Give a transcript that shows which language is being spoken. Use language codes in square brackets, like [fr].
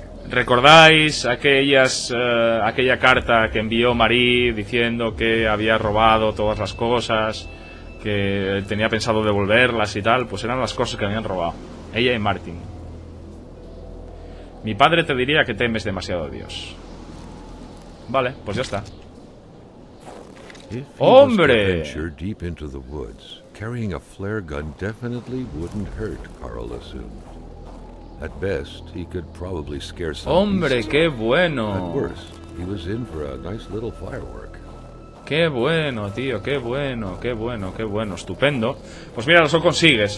[es] ¿Recordáis aquella carta que envió Marie diciendo que había robado todas las cosas, que tenía pensado devolverlas y tal? Pues eran las cosas que habían robado, ella y Martin. Mi padre te diría que temes demasiado a Dios. Vale, pues ya está. ¡Hombre! [en] Deep into the woods, carrying a flare gun definitely wouldn't hurt, Carl assumed. At best, he could probably scare some. [es] Hombre, qué bueno. [en] At worst, he was in for a nice little firework. [es] ¡Qué bueno, tío! ¡Qué bueno, qué bueno, qué bueno! ¡Estupendo! Pues mira, eso consigues.